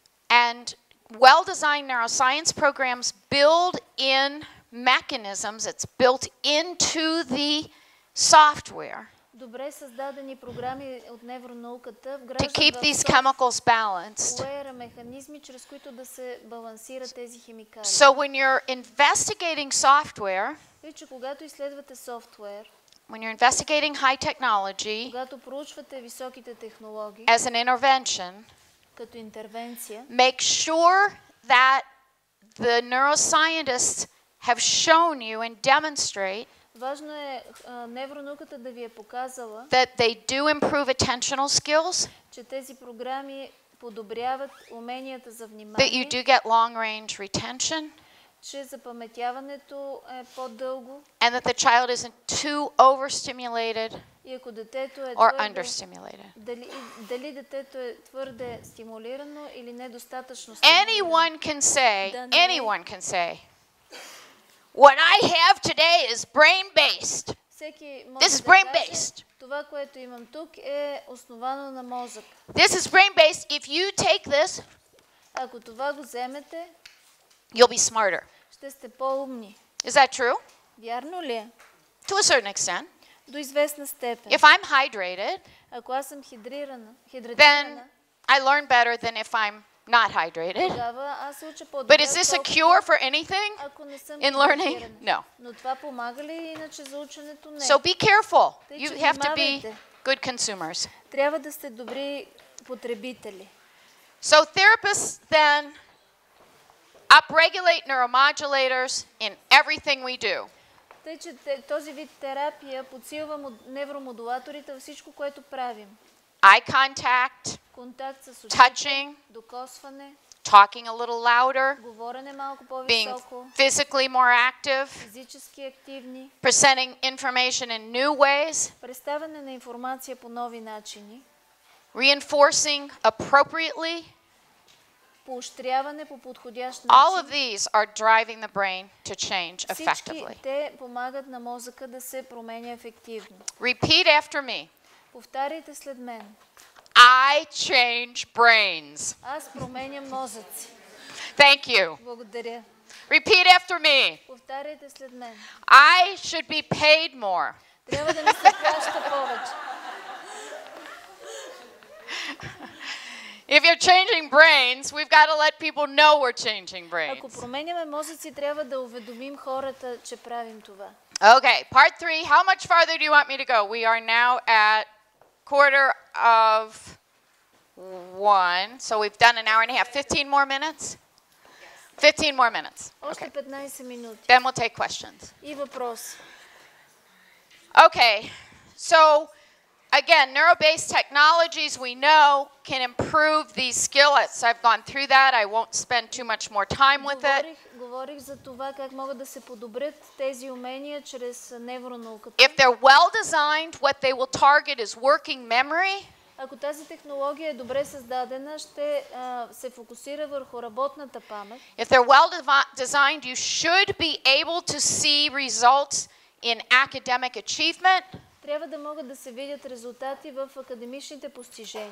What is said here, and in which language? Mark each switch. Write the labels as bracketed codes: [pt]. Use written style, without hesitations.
[en] And well-designed neuroscience programs build in mechanisms, it's built into the software [bg] добре създадени програми от невронауката [en] to keep these chemicals balanced. [bg] Механизми, чрез които да се балансира тези химикали. [en] So when you're investigating software, [bg] вече когато изследвате софтуер, [en] when you're investigating high technology, [bg] когато проучвате високите технологии, [en] as an intervention, [bg] като интервенция, [en] make sure that the neuroscientists have shown you and demonstrate [bg] важно е невронауката да ви е показала [en] that they do improve attentional skills, [bg] че тези програми подобряват уменията за внимание, [en] that you do get long range retention, [bg] че запаметяването е по-дълго, [en] and that the child isn't too overstimulated or understimulated. [bg] Дали детето е твърде стимулирано или недостатъчно стимулирано. [en] Anyone can say, what I have today is brain-based. This is brain-based. [bg] Това, което имам тук, е основано на мозък. [en] This is brain-based. If you take this, [bg] ако това го вземете, [en] you'll be smarter. [bg] Ще сте по-умни. [en] Is that true? [bg] Вярно ли е? [en] To a certain extent. [bg] До известна степен. [en] If I'm hydrated, [bg] ако аз съм хидрирана, [en] then I learn better than if I'm not hydrated. [bg] Тогава аз се уча по-добре. [en] But is this a cure for anything? [bg] Ако не съм [en] in learning? No. [bg] Но това помага ли иначе за ученето? Не. [en] So be careful. You have to be good consumers. [bg] Трябва да сте добри потребители. [en] So therapists then upregulate neuromodulators in everything we do. [bg] Тъй, че този вид терапия подсилва невромодулаторите във всичко, което правим. [en] Eye contact, [bg] контакт с очите, [en] touching, [bg] докосване, [en] talking a little louder, [bg] говорене малко по-високо, [en] being physically more active, [bg] физически активни, [en] presenting information in new ways, [bg] представяне на информация по нови начини, [en] reinforcing appropriately, [bg] поощряване по подходящ начин. [en] All of these are driving the brain to change effectively. [bg] Всички те помагат на мозъка да се променя ефективно. [en] Repeat after me. [bg] Повтаряйте след мен. [en] I change brains. [bg] Аз променям мозъци. [en] Thank you. [bg] Благодаря. [en] Repeat after me. [bg] Повтаряйте след мен. [en] I should be paid more. [bg] Трябва да ми се плаща повече. [en] If you're changing brains, we've got to let people know we're changing brains. [bg] Ако променяме мозъци, трябва да уведомим хората, че правим това. [en] Okay, part 3. How much farther do you want me to go? We are now at 1:15. So we've done an hour and a half. 15 more minutes? 15 more minutes. [bg] Още 15 минути. [en] Then we'll take questions. [bg] И въпрос. [en] Okay. So again, neuro-based technologies we know can improve these skills. I've gone through that. I won't spend too much more time with it. [bg] Говорих за това как могат да се подобрят тези умения чрез невронауката. [en] If they're well designed, what they will target is working memory. [bg] Ако тази технология е добре създадена, ще се фокусира върху работната памет. [en] If they're well designed, you should be able to see results in academic achievement. [bg] Трябва да могат да се видят резултати в академичните постижения.